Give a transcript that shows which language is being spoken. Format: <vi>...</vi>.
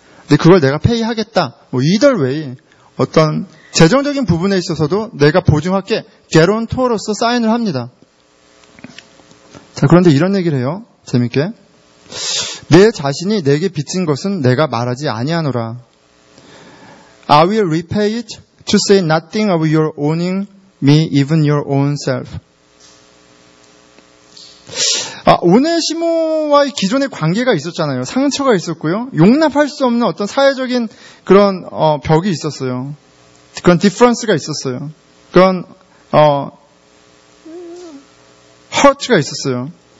<ko>근데 그걸 내가 페이하겠다. 뭐</ko> <en>either way</en> <ko>어떤 재정적인 부분에 있어서도 내가 보증할게 게런토로서 사인을 합니다. 자, 그런데 이런 얘기를 해요. 재밌게. 내 자신이 내게 빚진 것은 내가 말하지 아니하노라.</ko> <en>I will repay it to say nothing of your owning me even your own self.</en> <ko>오네시모와의 기존의 관계가 있었잖아요. 상처가 있었고요. 용납할 수 없는 어떤 사회적인 그런 벽이 있었어요. 그런 디퍼런스가 있었어요. 그런 허트가 있었어요.</ko>